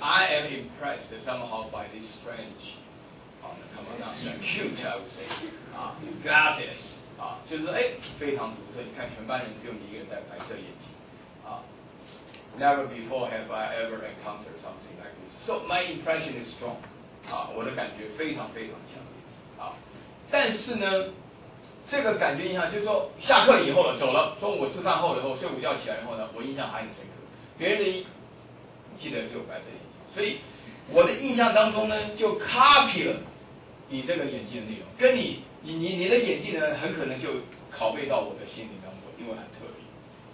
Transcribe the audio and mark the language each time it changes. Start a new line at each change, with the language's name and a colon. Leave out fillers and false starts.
English: I am impressed somehow by this strange, come on now, cute, I would say, glasses.
Chinese: 啊，就是哎，非常独特。你看，全班人只有你一个人戴白色眼镜。
English: 啊 ，Never before have I ever encountered something like this. So my impression is strong.
Chinese: 啊，我的感觉非常非常强烈。啊，但是呢，这个感觉印象就是说，下课以后了，走了，中午吃饭后了，睡午觉起来以后呢，我印象还很深刻。别人的记得只有白色眼镜，所以我的印象当中呢就 copy 了你这个眼镜的内容，跟你的眼镜呢很可能就拷贝到我的心灵当中，因为很特别，